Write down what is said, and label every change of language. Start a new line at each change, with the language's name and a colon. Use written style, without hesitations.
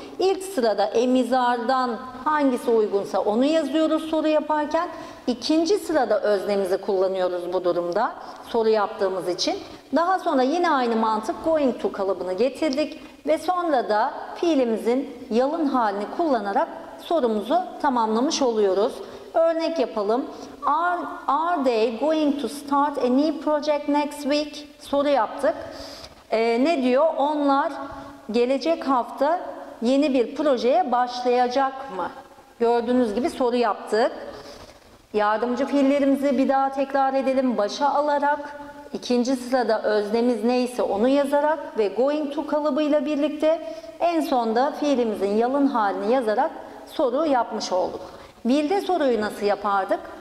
Turkish: İlk sırada emizardan hangisi uygunsa onu yazıyoruz soru yaparken. İkinci sırada öznemizi kullanıyoruz bu durumda soru yaptığımız için. Daha sonra yine aynı mantık going to kalıbını getirdik. Ve sonra da fiilimizin yalın halini kullanarak sorumuzu tamamlamış oluyoruz. Örnek yapalım.
English: Are they going to start a new project next week?
Turkish: Soru yaptık. Ne diyor? Onlar gelecek hafta yeni bir projeye başlayacak mı? Gördüğünüz gibi soru yaptık. Yardımcı fiillerimizi bir daha tekrar edelim. Başa alarak, ikinci sırada öznemiz neyse onu yazarak ve going to kalıbıyla birlikte en sonda fiilimizin yalın halini yazarak soru yapmış olduk. Will'de soruyu nasıl yapardık?